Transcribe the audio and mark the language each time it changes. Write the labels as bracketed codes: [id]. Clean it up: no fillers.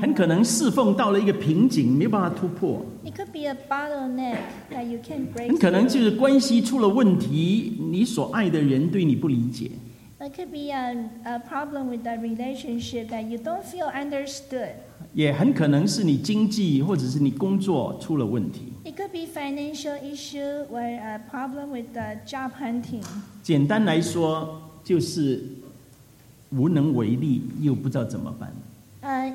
[zh] 很可能侍奉到了一个瓶颈, 没办法突破。 [en] It could be a bottleneck that you can't break. [zh] 很可能就是关系出了问题, 你所爱的人对你不理解。 [en] It could be a problem with the relationship that you don't feel understood. [zh] 也很可能是你经济或者是你工作出了问题。 [en] It could be financial issue or a problem with the job hunting. [zh] 简单来说, 就是 无能为力, 又不知道怎么办。